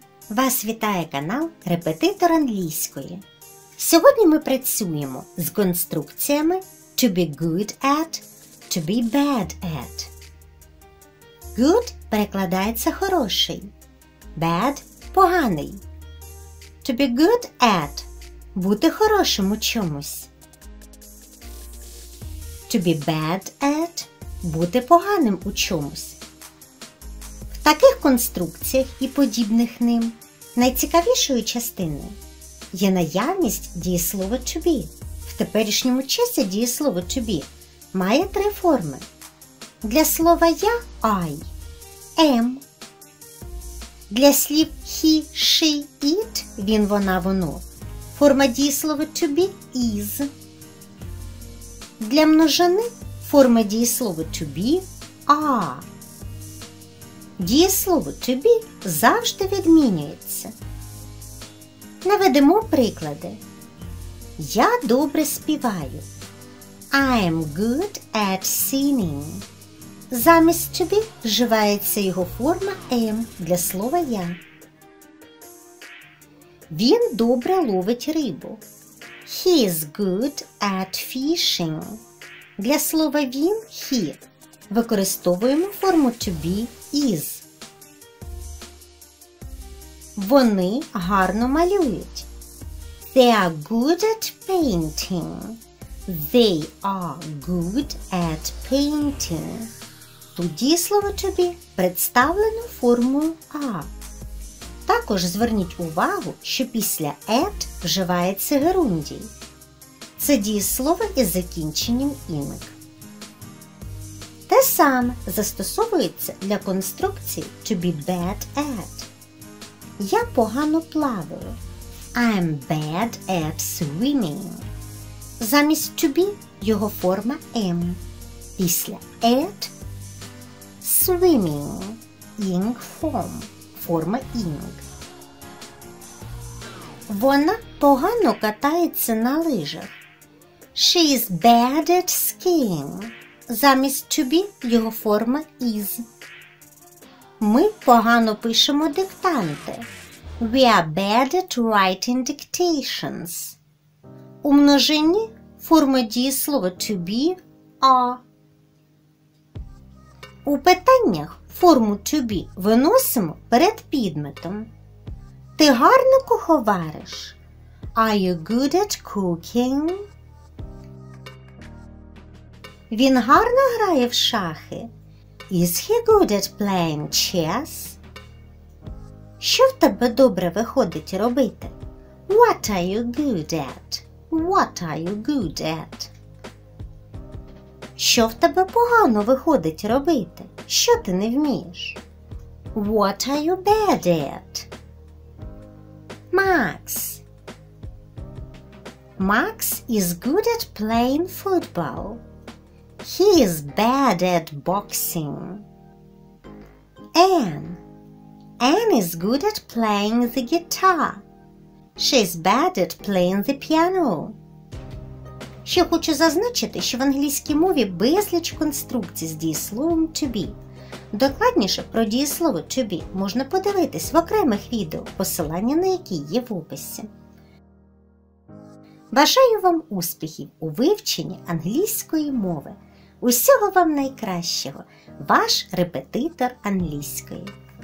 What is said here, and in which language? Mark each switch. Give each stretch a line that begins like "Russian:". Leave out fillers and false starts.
Ukrainian: Вас вітає канал «Репетитор англійської». Сьогодні ми працюємо з конструкціями
English: «to be good at», «to be bad at».
Ukrainian: «Good» перекладається «хороший», «bad» – «поганий».
English: «To be good at»
Ukrainian: – «бути хорошим у чомусь».
English: «To be bad at»
Ukrainian: – «бути поганим у чомусь». В таких конструкціях і подібних ним найцікавішою частиною є наявність дієслова to be. В теперішньому часі дієслово to be має три форми. Для слова я – I, am. Для слів he, she, it – він, вона, воно. Форма дієслова to be – is. Для множини форма дієслова to be – are. Дієслово «to be» завжди відмінюється. Наведемо приклади. Я добре співаю.
English: I am good at singing.
Ukrainian: Замість «to be» вживається його форма «am» для слова «я». Він добре ловить рибу.
English: He is good at fishing.
Ukrainian: Для слова «він» – «he» використовуємо форму «to be» – «is». Вони гарно малюють.
English: They are good at painting. They are good at painting.
Ukrainian: Тут дієслово to be представлено формою are. Також зверніть увагу, що після at вживається герундій. Це дієслово із закінченням ing. Те саме застосовується для конструкції
English: to be bad at.
Ukrainian: Я погано плаваю.
English: I am bad at swimming.
Ukrainian: Замість to be його форма am. Після
English: at swimming ing form.
Ukrainian: Форма ing. Вона погано катається на лижах.
English: She is bad at skiing.
Ukrainian: Замість to be його форма is. Ми погано пишемо диктанти.
English: We are bad at writing dictations.
Ukrainian: У множині форма дієслова to be – are. У питаннях форму to be виносимо перед підметом. Ти гарно куховариш.
English: Are you good at cooking?
Ukrainian: Він гарно грає в шахи.
English: Is he good at playing chess?
Ukrainian: Що в тебе добре виходить робити?
English: What are you good at? What are you good at?
Ukrainian: Що в тебе погано виходить робити? Що ти не вмієш?
English: What are you bad at? Max. Max is good at playing football. He is bad at boxing. Anne is good at playing the guitar. She is bad at playing the piano.
Ukrainian: Ще хочу зазначити, що в англійській мові безліч конструкцій з дієсловом to be. Докладніше про дієслово to be можна подивитись в окремих відео, посилання на які є в описі. Бажаю вам успіхів у вивченні англійської мови. Усього вам найкращого! Ваш репетитор англійської.